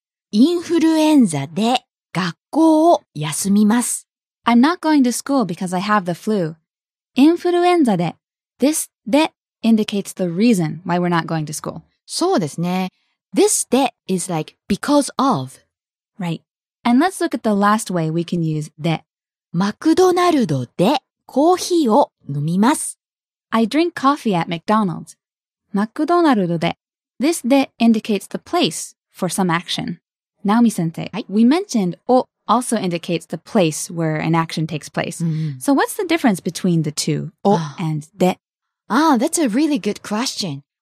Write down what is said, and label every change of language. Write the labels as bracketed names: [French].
[Japanese] インフルエンザで学校を休みます。 [English] I'm not going to school because I have the flu. [Japanese] インフルエンザで。 [English] This で indicates the reason why we're not going to school. [Japanese] そうですね。 [English] This で is like because of. Right. And let's look at the last way we can use で。 [Japanese] マクドナルドでコーヒーを飲みます。 [English] I drink coffee at McDonald's. [Japanese] マクドナルドで。 [English] This で indicates the place for some action. Naomi sensei, we mentioned を also indicates the place where an action takes place.、 Mm-hmm. So what's the difference between the two, を and で? Ah, that's a really good question.